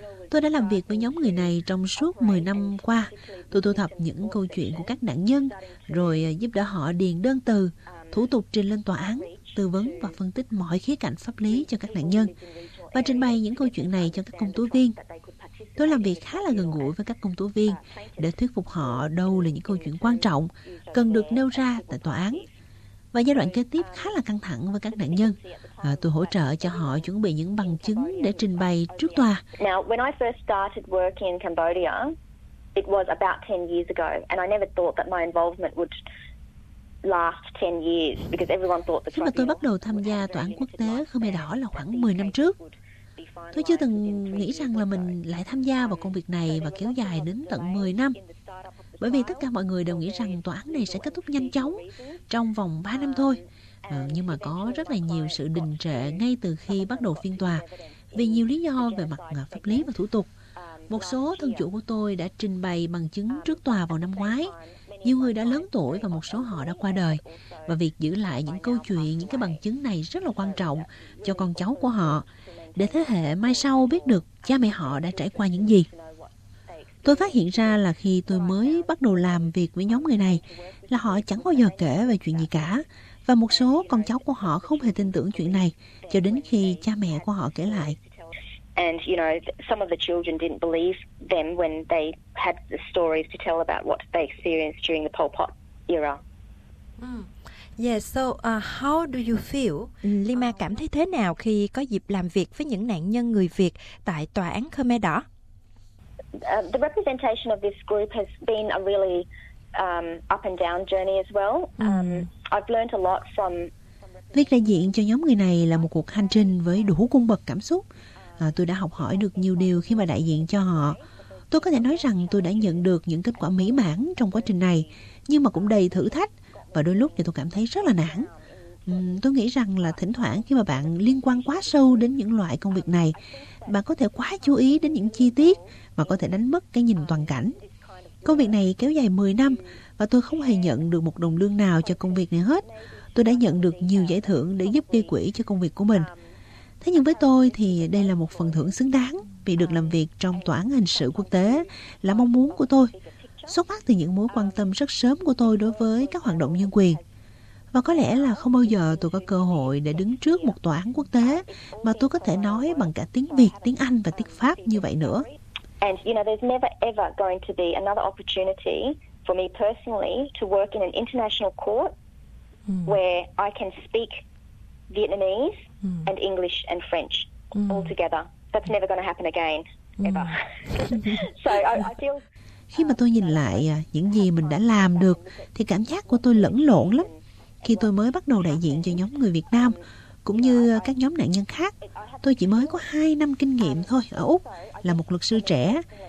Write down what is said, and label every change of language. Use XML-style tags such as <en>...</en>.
<vi>Tôi đã làm việc với nhóm người này trong suốt 10 năm qua. Tôi thu thập những câu chuyện của các nạn nhân, rồi giúp đỡ họ điền đơn từ, thủ tục trình lên tòa án, tư vấn và phân tích mọi khía cạnh pháp lý cho các nạn nhân, và trình bày những câu chuyện này cho các công tố viên. Tôi làm việc khá là gần gũi với các công tố viên để thuyết phục họ đâu là những câu chuyện quan trọng cần được nêu ra tại tòa án. Và giai đoạn kế tiếp khá là căng thẳng với các nạn nhân. Tôi hỗ trợ cho họ chuẩn bị những bằng chứng để trình bày trước tòa.</vi> <en>Now, when I first started working in Cambodia, it was about 10 years ago, and I never thought that my involvement would last 10 years because everyone thought the</en> <vi>tribunal. Khi mà tôi bắt đầu tham gia tòa án quốc tế Khmer Đỏ là khoảng 10 năm trước. Tôi chưa từng nghĩ rằng là mình lại tham gia vào công việc này và kéo dài đến tận 10 năm. Bởi vì tất cả mọi người đều nghĩ rằng tòa án này sẽ kết thúc nhanh chóng, trong vòng 3 năm thôi. Nhưng mà có rất là nhiều sự đình trệ ngay từ khi bắt đầu phiên tòa, vì nhiều lý do về mặt pháp lý và thủ tục. Một số thân chủ của tôi đã trình bày bằng chứng trước tòa vào năm ngoái. Nhiều người đã lớn tuổi và một số họ đã qua đời. Và việc giữ lại những câu chuyện, những cái bằng chứng này rất là quan trọng cho con cháu của họ, để thế hệ mai sau biết được cha mẹ họ đã trải qua những gì. Tôi phát hiện ra là khi tôi mới bắt đầu làm việc với nhóm người này là họ chẳng bao giờ kể về chuyện gì cả, và một số con cháu của họ không hề tin tưởng chuyện này cho đến khi cha mẹ của họ kể lại.</vi> <en>And you know, some of the children didn't believe them when they had the stories to tell about what they experienced during the Pol Pot era. How do you feel?</en> <vi>Lima cảm thấy thế nào khi có dịp làm việc với những nạn nhân người Việt tại tòa án Khmer Đỏ?</vi> <en>The representation of this group has been a really up and down journey as well. I've learned a lot from.</en> <vi>Viết đại diện cho nhóm người này là một cuộc hành trình với đủ cung bậc cảm xúc. Tôi đã học hỏi được nhiều điều khi mà đại diện cho họ. Tôi có thể nói rằng tôi đã nhận được những kết quả mỹ mãn trong quá trình này, nhưng mà cũng đầy thử thách, và đôi lúc thì tôi cảm thấy rất là nản. Tôi nghĩ rằng là thỉnh thoảng khi mà bạn liên quan quá sâu đến những loại công việc này, bạn có thể quá chú ý đến những chi tiết và có thể đánh mất cái nhìn toàn cảnh. Công việc này kéo dài 10 năm và tôi không hề nhận được một đồng lương nào cho công việc này hết. Tôi đã nhận được nhiều giải thưởng để giúp gây quỹ cho công việc của mình. Thế nhưng với tôi thì đây là một phần thưởng xứng đáng vì được làm việc trong tòa án hình sự quốc tế là mong muốn của tôi, xuất phát từ những mối quan tâm rất sớm của tôi đối với các hoạt động nhân quyền. Và có lẽ là không bao giờ tôi có cơ hội để đứng trước một tòa án quốc tế mà tôi có thể nói bằng cả tiếng Việt, tiếng Anh và tiếng Pháp như vậy nữa.</vi> <en>And you know, there's never ever going to be another opportunity for me personally to work in an international court where I can speak Vietnamese and English and French all together. That's never going to happen again, ever. So I feel.</en> <vi>Khi mà tôi nhìn lại những gì mình đã làm được, thì cảm giác của tôi lẫn lộn lắm. Khi tôi mới bắt đầu đại diện cho nhóm người Việt Nam, cũng như các nhóm nạn nhân khác, tôi chỉ mới có 2 năm kinh nghiệm thôi ở Úc, là một luật sư trẻ.</vi>